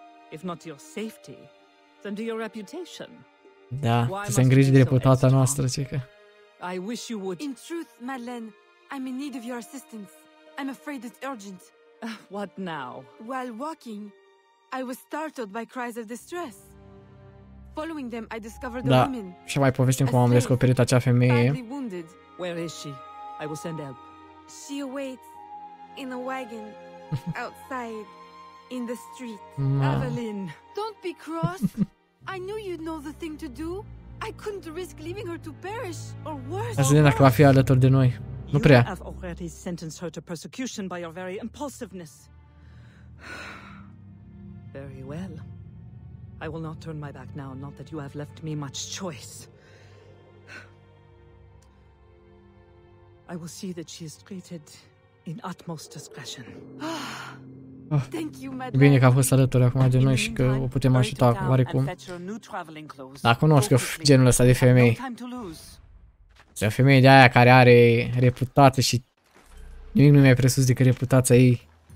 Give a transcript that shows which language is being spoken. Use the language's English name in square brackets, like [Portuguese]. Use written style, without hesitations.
[English] If not to your safety, then to your reputation. [Romanian] Da, trebuie să îngriji de reputația noastră, cică. [English] I wish you would. In truth, Madeleine, I'm in need of your assistance. I'm afraid it's urgent. What now? While walking, I was startled by cries of distress. Following them, I discovered the woman. [Romanian] Da, și mai povestim cum am descoperit acea femeie. [English] Where is she? I will send help. She awaits in a wagon outside. In the street, ma. Evelyn. Don't be cross. I knew you'd know the thing to do. I couldn't risk leaving her to perish or worse. [Romanian] Azi dacă va fi alături de noi. Nu prea. [English] You have already sentenced her to persecution by your very impulsiveness. Very well. I will not turn my back now, not that you have left me much choice. I will see that she is treated in utmost discretion. [Romanian] Oh, bine că a fost alături acum de noi și că o putem ajuta oarecum. Dar cunosc eu genul ăsta de femei. Este o femeie de aia care are reputație și nimic nu e mai presus decât reputația ei.